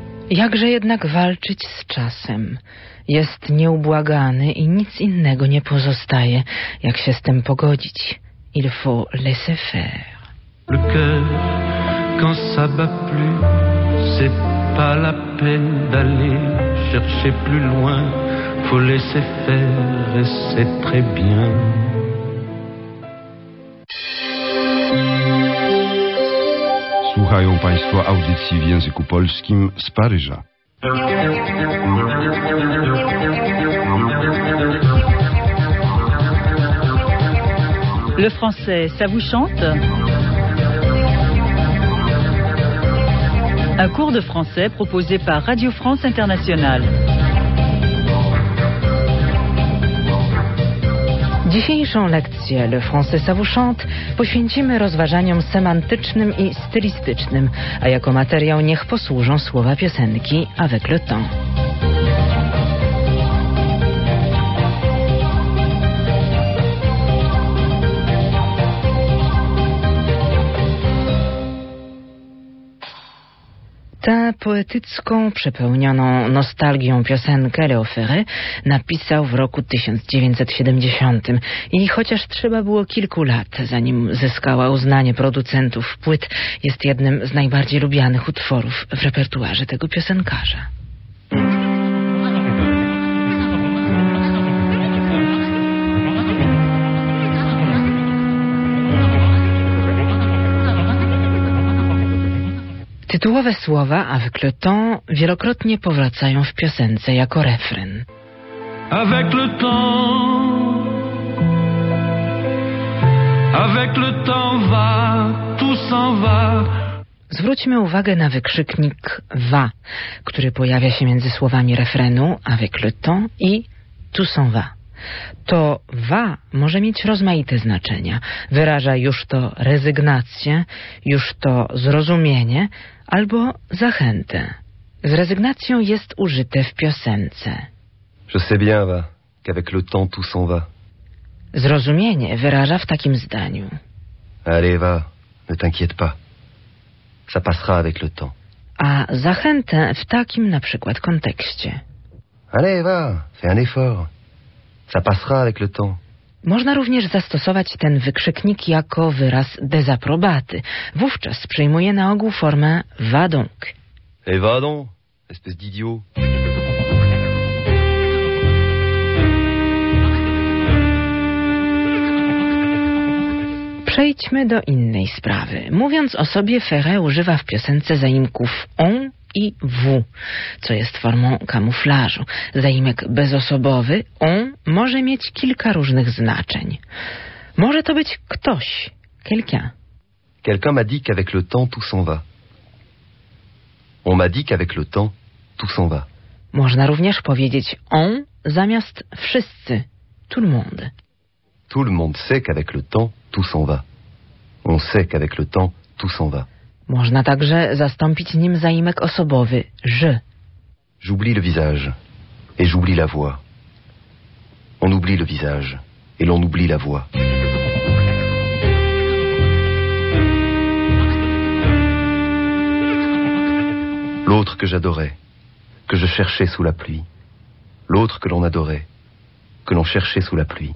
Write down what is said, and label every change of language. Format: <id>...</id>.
<pl>jakże jednak walczyć z czasem? Jest nieubłagany i nic innego nie pozostaje, jak się z tym pogodzić.</pl> <fr>Il faut laisser faire. Le cœur, quand ça bat plus, c'est pas la peine d'aller chercher plus loin. Faut laisser faire, c'est très bien.</fr> <pl>Słuchają Państwo audycji w języku polskim z Paryża.</pl> <fr>Le français, ça vous chante? Un cours de français proposé par Radio France Internationale.</fr> <pl>Dzisiejszą lekcję Le Français ça vous chante poświęcimy rozważaniom semantycznym i stylistycznym, a jako materiał niech posłużą słowa piosenki Avec le temps. Tę poetycką, przepełnioną nostalgią piosenkę Leo Ferré napisał w roku 1970. I chociaż trzeba było kilku lat, zanim zyskała uznanie producentów płyt, jest jednym z najbardziej lubianych utworów w repertuarze tego piosenkarza. Tytułowe słowa Avec le temps wielokrotnie powracają w piosence jako refren.</pl> <fr>Avec le temps, avec le temps va, tout s'en va.</fr> <pl>Zwróćmy uwagę na wykrzyknik va, który pojawia się między słowami refrenu Avec le temps i</pl> <fr>tout s'en va.</fr> <pl>To va może mieć rozmaite znaczenia. Wyraża już to rezygnację, już to zrozumienie albo zachętę. Z rezygnacją jest użyte w piosence.</pl> <fr>Je sais bien, va, qu'avec le temps tout s'en va.</fr> <pl>Zrozumienie wyraża w takim zdaniu.</pl> <fr>Allez, va, ne t'inquiète pas. Ça passera avec le temps.</fr> <pl>A zachętę w takim na przykład kontekście.</pl> <fr>Allez, va, fais un effort. Ça passera avec le temps.</fr> <pl>Można również zastosować ten wykrzyknik jako wyraz dezaprobaty. Wówczas przyjmuje na ogół formę va donc.</pl> <fr>Et va donc, espèce d'idiot.</fr> <pl>Przejdźmy do innej sprawy. Mówiąc o sobie, Ferré używa w piosence zaimków on i w, co jest formą kamuflażu. Zaimek bezosobowy, on, może mieć kilka różnych znaczeń. Może to być ktoś, quelqu'un.</pl> <fr>Quelqu'un m'a dit qu'avec le temps tout s'en va. On m'a dit qu'avec le temps tout s'en va.</fr> <pl>Można również powiedzieć on zamiast wszyscy,</pl> <fr>tout le monde. Tout le monde sait qu'avec le temps tout s'en va. On sait qu'avec le temps tout s'en va.</fr> <pl>Można także zastąpić nim zaimek osobowy, je.</pl> <fr>J'oublie le visage et j'oublie la voix. On oublie le visage et l'on oublie la voix. L'autre que j'adorais, que je cherchais sous la pluie. L'autre que l'on adorait, que l'on cherchait sous la pluie.</fr>